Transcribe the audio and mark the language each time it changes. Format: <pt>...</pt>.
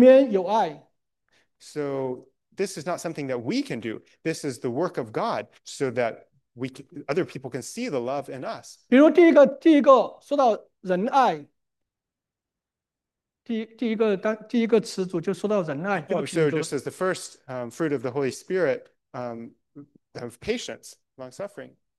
<zh>所以，这不是我们人能做的，这是神的工作，这是圣灵要让我们里面有爱。So</zh> <en>this is not something that we can do. This is the work of God so that we can, other people can see the love in us.</en> <zh>比如第一个说到仁爱，第一个词组就说到仁爱。</zh> <en>So just as the first fruit of the Holy Spirit, of patience, long-suffering.</en>